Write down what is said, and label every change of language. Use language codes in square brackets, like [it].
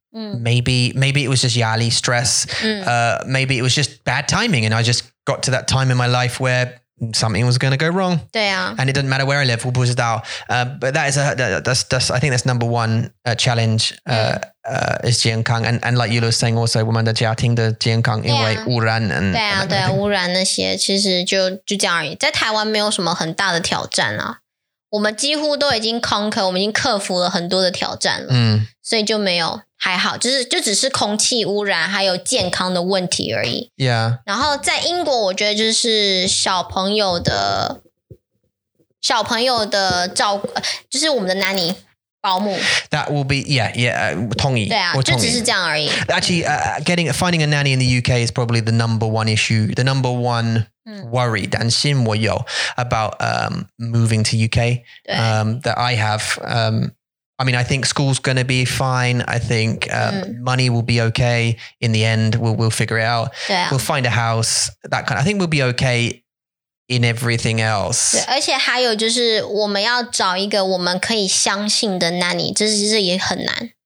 [en] Maybe it was just [zh] 压力, [en] stress. Maybe it was just bad timing. And I just got to that time in my life where something was going to go wrong. And it doesn't matter where I live. But that is I think that's number one challenge. Is 健康.And like Yulu was saying also, [zh] 我们的家庭的健康, 因为污染那些，其实就这样而已。在台湾没有什么很大的挑战啊。我们几乎都已经 conquer, 我们已经克服了很多的挑战了。所以就没有。还好，就是只是空气污染还有健康的问题而已。然后在英国，我觉得就是小朋友的照顾，就是我们的 nanny [en] That will be, yeah, yeah, [zh] 同意. 对啊,就只是这样而已. [en] Actually, finding a nanny in the UK is probably the number one issue, the number one worry, [zh] 担心我有, [en] about moving to UK, that I have. I mean, I think school's going to be fine. I think money will be okay. In the end, we'll figure it out. [zh] 对啊. [en] We'll find a house, that kind of, I think we'll be okay in everything else. [zh] 而且还有就是我们要找一个我们可以相信的 nanny, 这也很难.